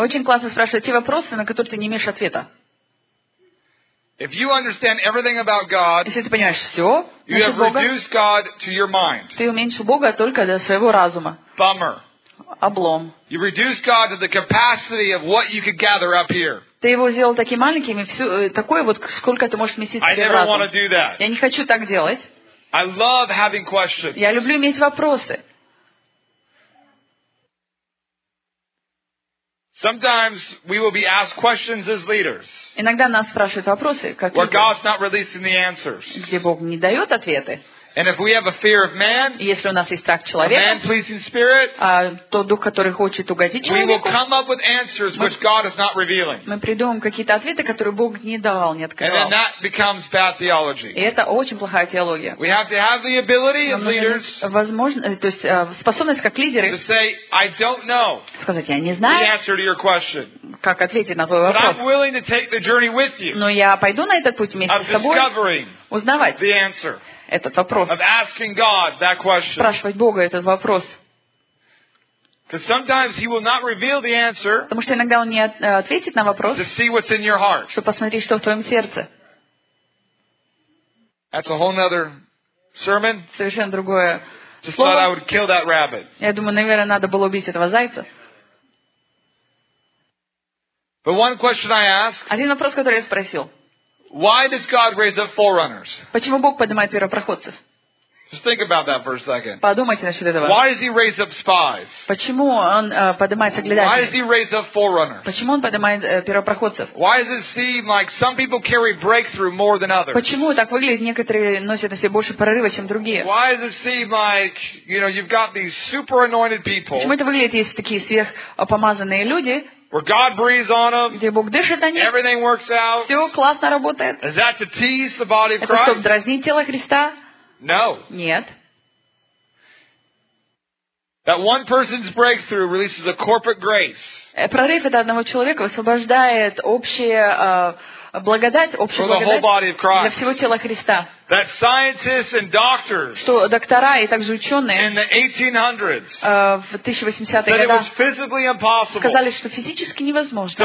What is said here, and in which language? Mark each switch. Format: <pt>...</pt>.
<ru>Очень классно спрашивать те вопросы, на которые ты не имеешь ответа.</ru> <en>If you understand everything about God,</en> <ru>если ты понимаешь все,</ru> <en>you have</en> <ru>Бога,</ru> <en>reduced God to your mind.</en> <ru>Ты уменьшил Бога только до своего разума.</ru> <en>Bummer.</en> <ru>Облом.</ru> <en>You reduced God to the capacity of what you could gather up here.</en> <ru>Ты его сделал таким маленьким и все такое вот сколько ты можешь вместить в себе</ru> <en>разум. I never want to do that.</en> <ru>Я не хочу так делать.</ru> <en>I love having questions.</en> <ru>Я люблю иметь вопросы.</ru> <en>Sometimes we will be asked questions as leaders.</en> <ru>Иногда нас спрашивают вопросы, как</ru> <en>where God's not releasing the answers.</en> <ru>Где Бог не дает ответы.</ru> <en>And if we have a fear of man,</en> <ru>если у нас есть страх человека,</ru> <en>a man-pleasing spirit,</en> <ru>тот дух, который хочет угодить человеку,</ru> <en>we will come up with answers which God is not revealing.</en> <ru>Мы придумаем какие-то ответы, которые Бог не давал, не открывал.</ru> <en>And then that becomes bad theology.</en> <ru>И это очень плохая теология.</ru> <en>We have to have the ability as leaders,</en> <ru>возможность, то есть способность как лидеры,</ru> <en>to say, I don't know,</en> <ru>сказать, я не знаю,</ru> <en>the answer to your question.</en> <ru>Как ответить на твой вопрос.</ru> <en>But I'm willing to take the journey with you.</en> <ru>Но я пойду на этот путь вместе с тобой,</ru> <en>discovering</en> <ru>узнавать</ru> <en>the answer.</en> <ru>Этот вопрос.</ru> <en>Of asking God that question.</en> <ru>Спрашивать Бога этот вопрос.</ru> <en>Because sometimes He will not reveal the answer.</en> <ru>Потому что иногда Он не ответит на вопрос.</ru> <en>To see what's in your heart.</en> <ru>Чтобы посмотреть, что в твоем сердце.</ru> <en>That's a whole other sermon.</en> <ru>Совершенно другое.</ru> <en>Just thought I would kill that rabbit.</en> <ru>Я думаю, наверное, надо было убить этого зайца.</ru> <en>But one question I ask.</en> <ru>Один вопрос, который я спросил.</ru> <en>Why does God raise up forerunners?</en> <ru>Почему Бог поднимает первопроходцев?</ru> <en>Just think about that for a second.</en> <ru>Подумайте насчет этого.</ru> <en>Why does He raise up spies?</en> <ru>Почему он поднимает соглядателей?</ru> <en>Why does He raise up forerunners?</en> <ru>Почему он поднимает первопроходцев?</ru> <en>Why does it seem like some people carry breakthrough more than others?</en> <ru>Почему так выглядит, некоторые носят на себе больше прорыва, чем другие?</ru> <en>Why does it seem like, you know, you've got these super anointed people?</en> <ru>Почему это выглядит, есть такие сверхпомазанные люди?</ru> <en>Where God breathes on them,</en> <ru>где Бог дышит на них,</ru> <en>everything works out.</en> <ru>Все классно работает.</ru> <en>Is that to tease the body of Christ?</en> <ru>Это чтобы дразнить тело Христа?</ru> <en>No.</en> <ru>Нет.</ru> <en>That one person's breakthrough releases a corporate grace.</en> <ru>Прорыв это одного человека освобождает общее благодать, общую благодать для всего тела Христа.</ru> <en>That scientists and doctors.</en> <ru>Что доктора и также ученые.</ru> <en>In the 1800s.</en> <ru>В 1800-е годы.</ru> <en>That it was physically impossible.</en> <ru>Сказали, что физически невозможно.</ru>